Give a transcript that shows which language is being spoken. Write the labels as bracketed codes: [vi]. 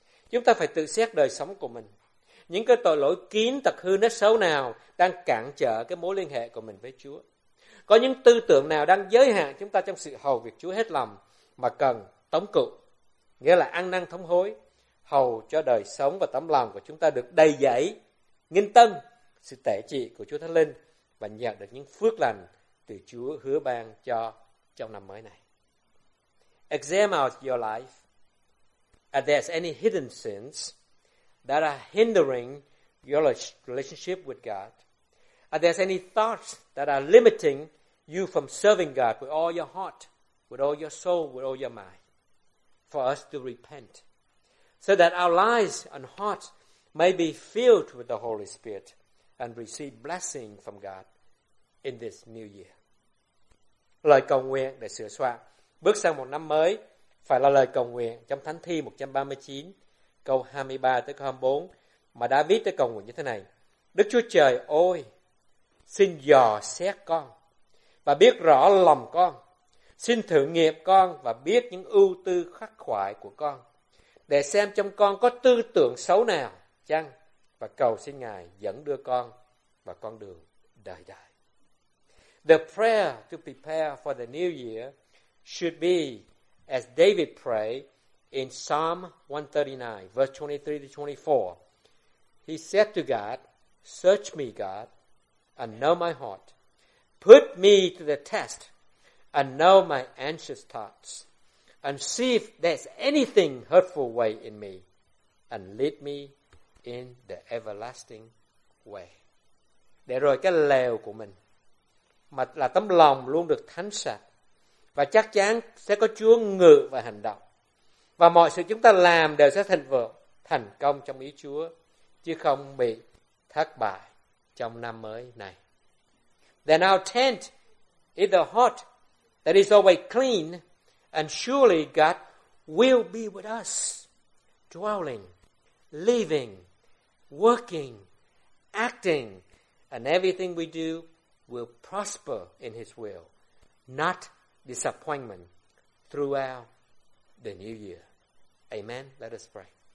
[vi] Chúng ta phải tự xét đời sống của mình. Những cái tội lỗi kín, tật hư, nét xấu nào đang cản trở cái mối liên hệ của mình với Chúa? Có những tư tưởng nào đang giới hạn chúng ta trong sự hầu việc Chúa hết lòng mà cần tống cựu, nghĩa là ăn năn thống hối, hầu cho đời sống và tấm lòng của chúng ta được đầy dẫy nghinh tân sự tể trị của Chúa Thánh Linh và nhận được những phước lành từ Chúa hứa ban cho trong năm mới này? [en] Examine out your life. Are there any hidden sins that are hindering your relationship with God? Are there any thoughts that are limiting you from serving God with all your heart, with all your soul, with all your mind? For us to repent, so that our lives and hearts may be filled with the Holy Spirit and receive blessing from God in this new year. [vi] Lời cầu nguyện để sửa soạn bước sang một năm mới phải là lời cầu nguyện trong Thánh Thi 139 câu 23 tới câu 24 mà David đã cầu nguyện như thế này: Đức Chúa Trời ơi, xin dò xét con và biết rõ lòng con, xin thử nghiệm con và biết những ưu tư khắc khoải của con, để xem trong con có tư tưởng xấu nào chăng, và cầu xin Ngài dẫn đưa con vào con đường đời đời. [en] The prayer to prepare for the new year should be as David prayed in Psalm 139, verse 23 to 24. He said to God, "Search me, God, and know my heart. Put me to the test and know my anxious thoughts. And see if there's anything hurtful way in me, and lead me in the everlasting way." [vi] Để rồi cái lều của mình, mà là tấm lòng luôn được thánh sạch, và chắc chắn sẽ có Chúa ngự và hành động. Và mọi sự chúng ta làm đều sẽ thành vượng, thành công trong ý Chúa, chứ không bị thất bại trong năm mới này. [en] Then our tent is the heart that is always clean, and surely God will be with us, dwelling, living, working, acting, and everything we do will prosper in His will, not disappointment, throughout the new year. Amen. Let us pray.